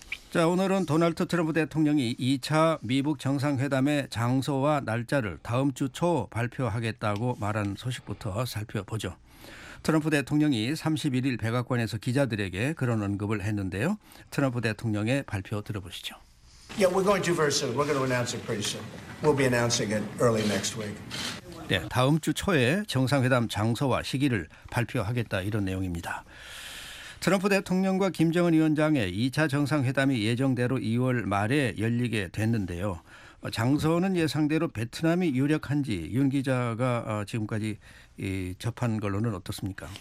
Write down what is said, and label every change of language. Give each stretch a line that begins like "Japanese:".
Korean: 자, 오늘은 도널드 트럼프 대통령이 2차 미북 정상회담의 장소와 날짜를 다음 주 초 발표하겠다고 말한 소식부터 살펴보죠. 트럼프 대통령이 31일 백악관에서 기자들에게 그런 언급을 했는데요. 트럼프 대통령의 발표 들어보시죠.
English: Yeah, we're going to do very soon. We're going to announce it pretty soon. We'll be announcing it early next week.
Korean: 네, 다음 주 초에 정상회담 장소와 시기를 발표하겠다 이런 내용입니다. 트럼프 대통령과 김정은 위원장의 2차 정상회담이 예정대로 2월 말에 열리게 됐는데요. 장소는 예상대로 베트남이 유력한지 윤 기자가 지금까지 접한 걸로는 어떻습니까?